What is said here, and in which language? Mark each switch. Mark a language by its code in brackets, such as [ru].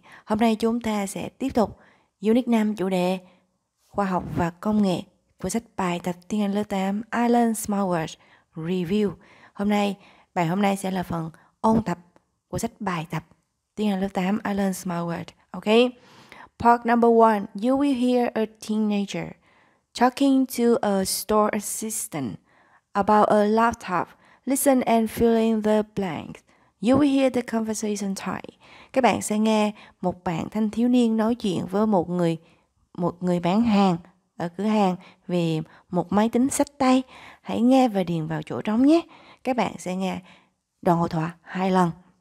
[vi] Hôm nay chúng ta sẽ tiếp tục Unit 5 chủ đề Khoa học và Công nghệ của sách bài tập tiếng Anh lớp 8 I Learned Smart Work Review. Hôm nay sẽ là phần ôn tập của sách bài tập tiếng Anh lớp 8 I Learned Smart Work. [en] Okay. Part number one, you will hear a teenager talking to a store assistant about a laptop. Listen and fill in the blanks. You will hear the conversation type. [vi] Các bạn sẽ nghe một bạn thanh thiếu niên nói chuyện với một người bán hàng ở cửa hàng về một máy tính xách tay. Hãy nghe và điền vào chỗ trống nhé. Các bạn sẽ nghe đoạn hội thoại hai lần.